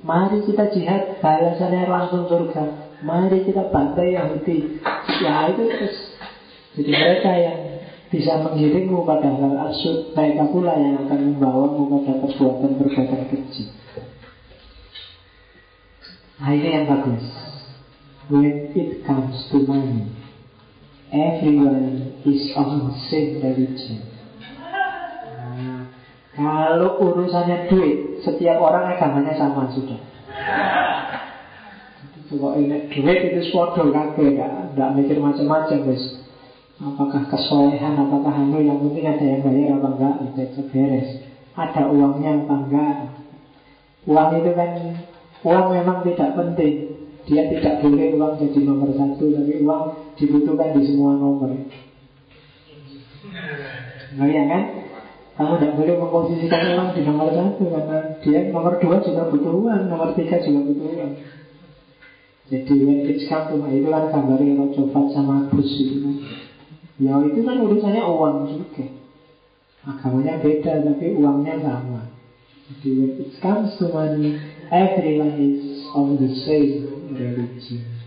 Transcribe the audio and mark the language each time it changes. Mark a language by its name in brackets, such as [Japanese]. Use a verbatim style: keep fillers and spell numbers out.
[Indonesian] Mari kita jihad, balasannya langsung surga. Mari kita bantai Yahudi. Ya itu terus. Jadi mereka yang bisa menggiringmu pada hal absurd, mereka pula yang akan membawamu pada perbuatan-perbuatan keji. Nah ini yang bagus. [English] When it comes to money, everyone is on the same religion. [Indonesian] Nah, kalau urusannya duit, setiap orang agamanya sama sudah. Kalau enak duit itu suatu kafe, gak, gak mikir macam-macam guys. Apakah kesolehan, apakah anu, yang penting ada yang bayar apa enggak, itu beres. Ada uangnya apa enggak. Uang itu kan, uang memang tidak penting. Dia tidak boleh uang jadi nomor satu, tapi uang dibutuhkan di semua nomor. Nah, ya kan? Kamu tidak boleh memposisikan uang di nomor satu, karena dia nomor dua juga butuh uang, nomor tiga juga butuh uang. Jadi [English] when it's come to my, [Indonesian] itu kan gambarnya Rojo Fat sama Bus itu kan. Ya itu kan urusannya uang juga. Agamanya beda tapi uangnya sama. [English] Jadi when it comes to money, everyone is on the same religion.